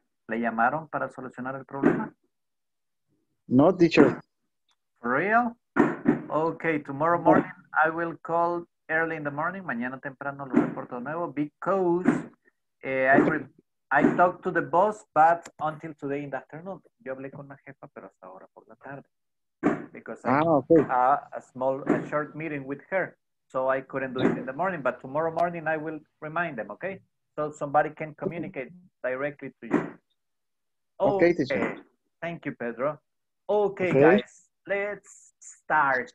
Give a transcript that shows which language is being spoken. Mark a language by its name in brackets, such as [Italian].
[Spanish] ¿Le llamaron para solucionar el problema? [English] No, teacher. For real? Okay, tomorrow morning, I will call early in the morning. [Spanish] Mañana temprano lo reporto nuevo [English] because I talked to the boss, but until today in the afternoon. [Spanish] Yo hablé con la jefa, pero hasta ahora por la tarde. [English] Because I had a short meeting with her. So I couldn't do it in the morning, but tomorrow morning I will remind them, okay? So somebody can communicate directly to you. Okay, teacher. Thank you, Pedro. Okay, guys, let's start.